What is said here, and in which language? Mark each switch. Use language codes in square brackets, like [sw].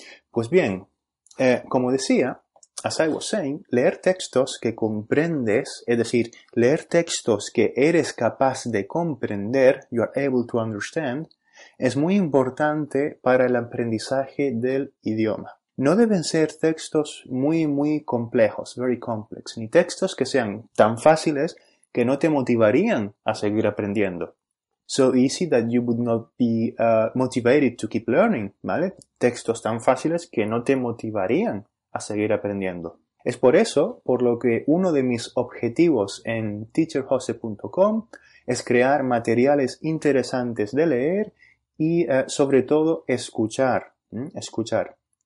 [es] Pues bien, como decía, [en] as I was saying, [es] leer textos que comprendes, es decir, leer textos que eres capaz de comprender, [en] you are able to understand, [es] es muy importante para el aprendizaje del idioma. No deben ser textos muy, muy complejos, [en] very complex, [es] ni textos que sean tan fáciles que no te motivarían a seguir aprendiendo. [en] So easy that you would not be motivated to keep learning, ¿vale? [es] Textos tan fáciles que no te motivarían a seguir aprendiendo. Es por eso, por lo que uno de mis objetivos en teacherjose.com es crear materiales interesantes de leer y sobre todo escuchar, escuchar.